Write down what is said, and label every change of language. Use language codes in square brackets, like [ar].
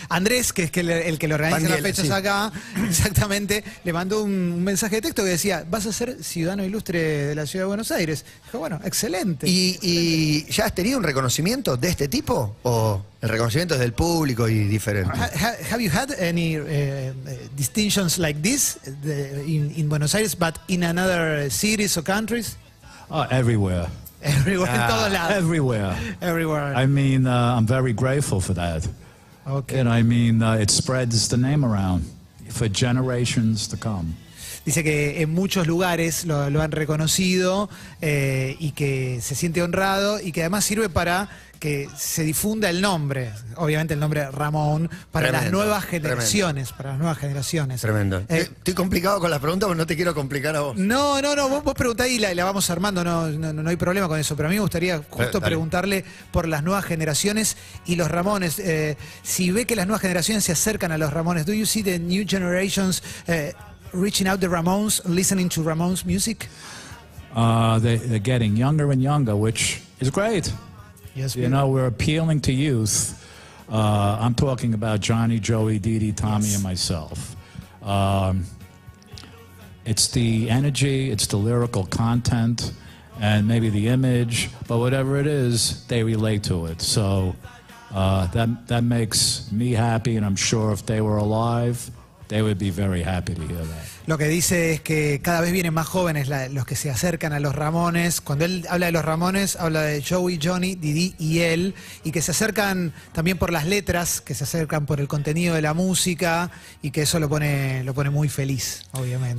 [es] Andrés, que es el que lo organiza las fechas, sí. Acá, exactamente, le mandó un mensaje de texto que decía, vas a ser ciudadano ilustre de la Ciudad de Buenos Aires. Dijo, bueno, excelente. ¿Y ya has tenido un reconocimiento de este tipo? ¿O el reconocimiento es del público y diferente? [en] Have you had any distinctions like this in Buenos Aires, but in another cities or countries? Everywhere. Everywhere, [es] en todos lados. [en] Everywhere. Everywhere. I mean, I'm very grateful for that. Okay. And I mean, it spreads the name around for generations to come. [es] Dice que en muchos lugares lo han reconocido y que se siente honrado y que además sirve para que se difunda el nombre, obviamente el nombre Ramón, para tremendo, las nuevas generaciones. Tremendo. Para las nuevas generaciones. Tremendo. Estoy complicado con las preguntas, pero no te quiero complicar a vos. No, vos preguntá y la vamos armando, no hay problema con eso, pero a mí me gustaría justo preguntarle por las nuevas generaciones y los Ramones. Si ve que las nuevas generaciones se acercan a los Ramones, [en] ¿do you see the new generations reaching out to Ramones, listening to Ramones music? They're getting younger and younger, which is great. Yes, you know, we're appealing to youth. I'm talking about Johnny, Joey, Dee Dee, Tommy, yes, and myself. It's the energy, it's the lyrical content, and maybe the image, but whatever it is, they relate to it. So that makes me happy, and I'm sure if they were alive, they would be very happy to hear that. [es] Lo que dice es que cada vez vienen más jóvenes los que se acercan a los Ramones. Cuando él habla de los Ramones, habla de Joey, Johnny, Didi y él. Y que se acercan también por las letras, que se acercan por el contenido de la música. Y que eso lo pone muy feliz, obviamente.